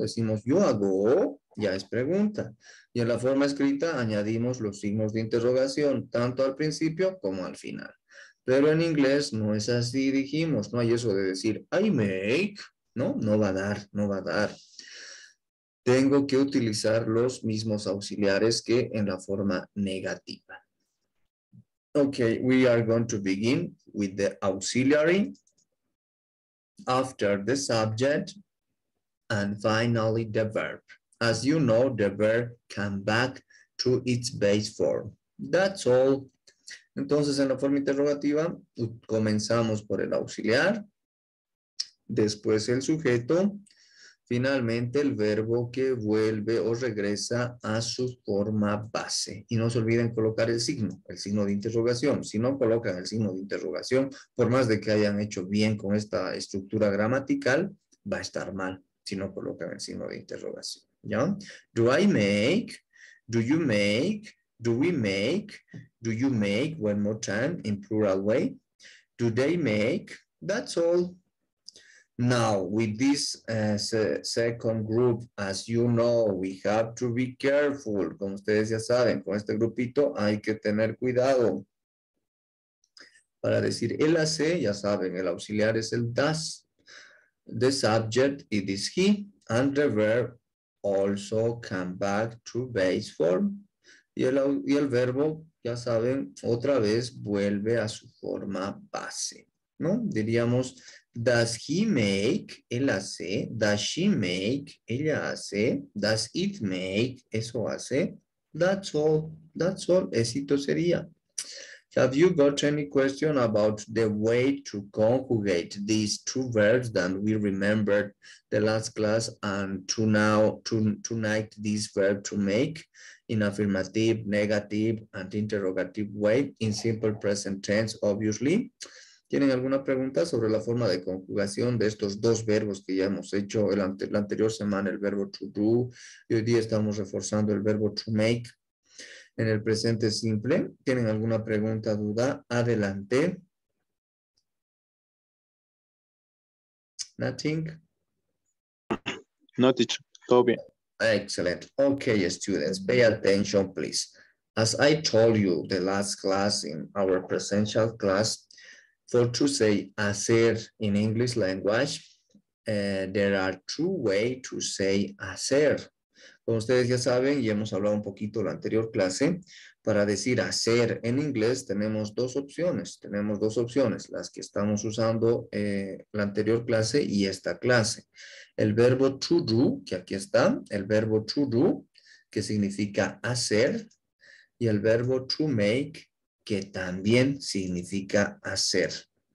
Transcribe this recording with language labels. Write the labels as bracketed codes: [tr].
[es] Decimos yo hago, ya es pregunta. Y en la forma escrita añadimos los signos de interrogación, tanto al principio como al final. Pero en inglés no es así, dijimos. No hay eso de decir, [en] I make. [es] No va a dar. Tengo que utilizar los mismos auxiliares que en la forma negativa. [en] Ok, we are going to begin with the auxiliary. After the subject. And finally the verb. As you know, the verb come back to its base form. That's all. [es] Entonces, en la forma interrogativa, comenzamos por el auxiliar, después el sujeto, finalmente el verbo que vuelve o regresa a su forma base. Y no se olviden colocar el signo de interrogación. Si no colocan el signo de interrogación, por más de que hayan hecho bien con esta estructura gramatical, va a estar mal si no colocan el signo de interrogación. ¿Ya? [en] Do I make? Do you make? Do we make? Do you make? One more time in plural way. Do they make? That's all. Now, with this second group, as you know, we have to be careful. [es] Como ustedes ya saben, con este grupito hay que tener cuidado. Para decir él hace, ya saben, el auxiliar es el does. [en] The subject, it is he. And the verb also come back to base form. [es] Y el verbo, ya saben, otra vez vuelve a su forma base, ¿no? Diríamos, [en] does he make, [es] él hace, [en] does she make, [es] ella hace, [en] does it make, [es] eso hace, [en] that's all, [es] éxito sería. [en] Have you got any question about the way to conjugate these two verbs that we remembered the last class and to now, tonight, this verb to make in affirmative, negative, and interrogative way in simple present tense, obviously? [es] ¿Tienen alguna pregunta sobre la forma de conjugación de estos dos verbos que ya hemos hecho la anterior semana, el verbo to do, y hoy día estamos reforzando el verbo to make en el presente simple? ¿Tienen alguna pregunta, duda? Adelante. [en] ¿Nothing? [es] No, teacher. Todo bien. [en] Excellent. Okay, students, pay attention, please. As I told you the last class in our presential class, for to say hacer in English language, there are two ways to say hacer. [es] Como ustedes ya saben, y hemos hablado un poquito la anterior clase, para decir hacer en inglés tenemos dos opciones. Tenemos dos opciones, las que estamos usando la anterior clase y esta clase. El verbo to do, que aquí está, el verbo to do, que significa hacer, y el verbo to make, que también significa hacer.